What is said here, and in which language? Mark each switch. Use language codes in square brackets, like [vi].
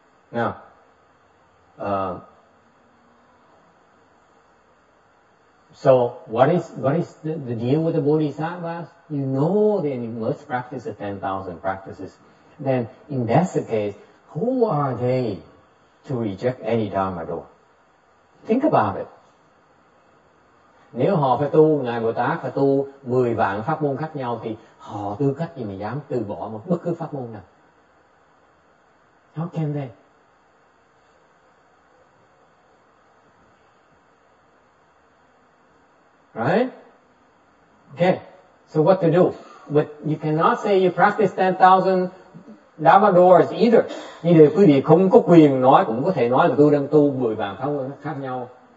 [en] Now, so what is the deal with the bodhisattvas? You know, then you must practice the 10,000 practices. Then in that case, who are they to reject any Dharma door? Think about it. [vi] Nếu họ phải tu, Ngài Bồ Tát phải tu 10 vạn pháp môn khác nhau thì họ tư cách gì mà dám từ bỏ một bất cứ pháp môn nào? [en] How can they? Right? Okay. So what to do? But you cannot say you practice 10,000 Dharma doors either. [vi] Như thế quý vị không có quyền nói, cũng có thể nói là tôi đang tu 10 vạn pháp môn khác nhau.